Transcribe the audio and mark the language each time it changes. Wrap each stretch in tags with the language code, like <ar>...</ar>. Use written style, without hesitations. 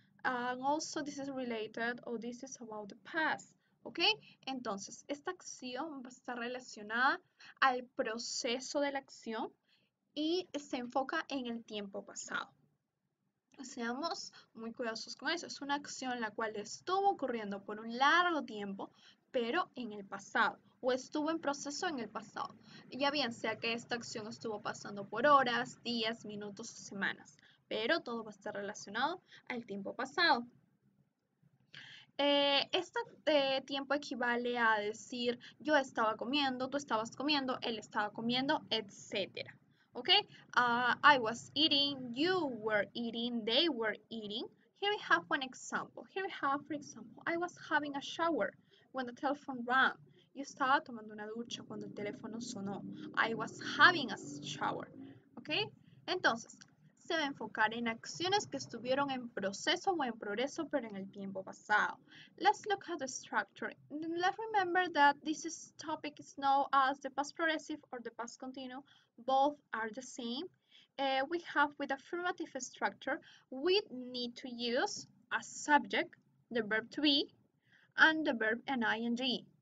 <en>Also, this is related or this is about the past. Okay?</en> <es>Entonces, esta acción va a estar relacionada al proceso de la acción y se enfoca en el tiempo pasado. Seamos muy cuidadosos con eso. Es una acción la cual estuvo ocurriendo por un largo tiempo, pero en el pasado, o estuvo en proceso en el pasado. Ya bien, sea que esta acción estuvo pasando por horas, días, minutos o semanas, pero todo va a estar relacionado al tiempo pasado. Este tiempo equivale a decir yo estaba comiendo, tú estabas comiendo, él estaba comiendo, etc. ¿Ok?</es> <en>I was eating, you were eating, they were eating. Here we have one example. Here we have, for example, I was having a shower when the telephone rang.</en> <es>Yo estaba tomando una ducha cuando el teléfono sonó.</es> <en>I was having a shower.</en> <es>¿Ok? Entonces, se va a enfocar en acciones que estuvieron en proceso o en progreso, pero en el tiempo pasado.</es> <en>Let's look at the structure. Let's remember that this topic is known as the past progressive or the past continuous. Both are the same. We have with affirmative structure, we need to use a subject, the verb to be, and the verb and ing.</en>